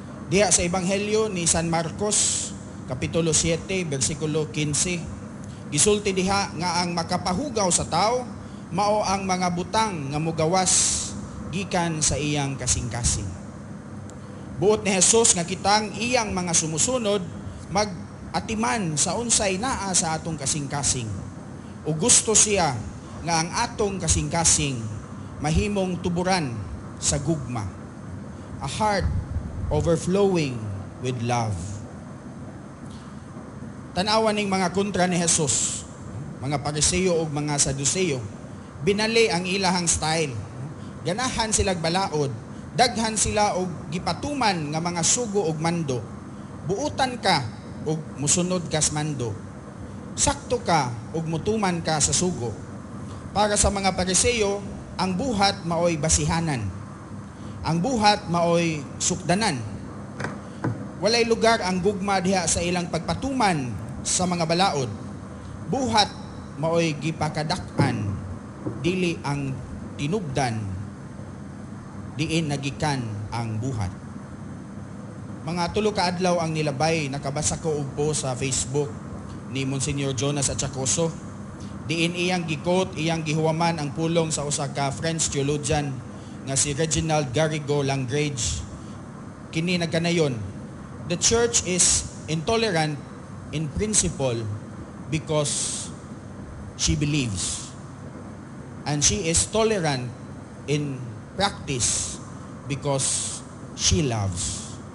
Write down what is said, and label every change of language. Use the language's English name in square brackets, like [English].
[Cebuano] Diha sa Ebanghelyo ni San Marcos kapitulo 7 bersikulo 15, gisulti diha nga ang makapahugaw sa tao mao ang mga butang nga mugawas gikan sa iyang kasing-kasing. Buot ni Jesus nga kitang iyang mga sumusunod magatiman sa unsay naa sa atong kasing-kasing. O gusto siya nga ang atong kasing-kasing mahimong tuburan sa gugma. [English] A heart overflowing with love. [Cebuano] Tanawa ning mga kontra ni Jesus, mga Pariseo o mga Saduceo, binali ang ilahang style. Ganahan silag balaod, daghan sila o gipatuman ng mga sugo o mando. Buutan ka o musunod kas mando. Sakto ka o mutuman ka sa sugo. Para sa mga Pariseo, ang buhat maoy basihanan. Ang buhat maoy sukdanan. Walay lugar ang gugma diha sa ilang pagpatuman sa mga balaod. Buhat maoy gipakadak-an, dili ang tinubdan, diin nagikan ang buhat. Mga tulo ka adlaw ang nilabay, nakabasa ko upo sa Facebook ni Monsignor Jonas Achacoso. Diin iyang gikot, iyang gihuaman ang pulong sa usa ka French theologian nga si Reginald Garrigo Langrage. Kini nagkanayon, [English] "The church is intolerant in principle because she believes. And she is tolerant in practice because she loves.